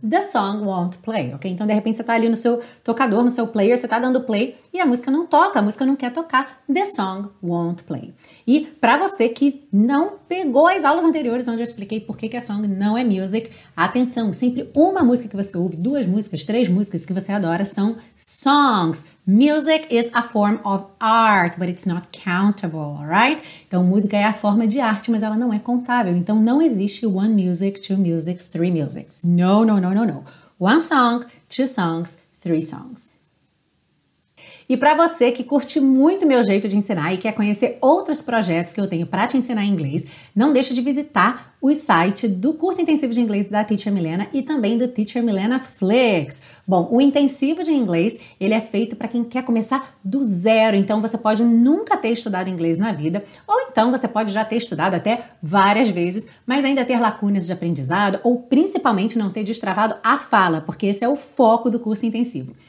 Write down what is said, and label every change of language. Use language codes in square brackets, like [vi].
[en] The song won't play, [pt] ok? Então, de repente, você tá ali no seu tocador, no seu player, você tá dando play e a música não toca, a música não quer tocar. [en] The song won't play. [pt] E para você que não pegou as aulas anteriores onde eu expliquei por que a song não é music, atenção, sempre uma música que você ouve, duas músicas, três músicas que você adora são songs. [en] Music is a form of art, but it's not countable, alright? [pt] Então, música é a forma de arte, mas ela não é contável. Então, não existe [en] one music, two musics, three musics. No, no, no, [pt] no, no. [en] One song, two songs, three songs. [pt] E para você que curte muito meu jeito de ensinar e quer conhecer outros projetos que eu tenho para te ensinar inglês, não deixa de visitar o site do curso intensivo de inglês da Teacher Milena e também do Teacher Milena Flix. Bom, o intensivo de inglês, ele é feito para quem quer começar do zero, então você pode nunca ter estudado inglês na vida, ou então você pode já ter estudado até várias vezes, mas ainda ter lacunas de aprendizado, ou principalmente não ter destravado a fala, porque esse é o foco do curso intensivo.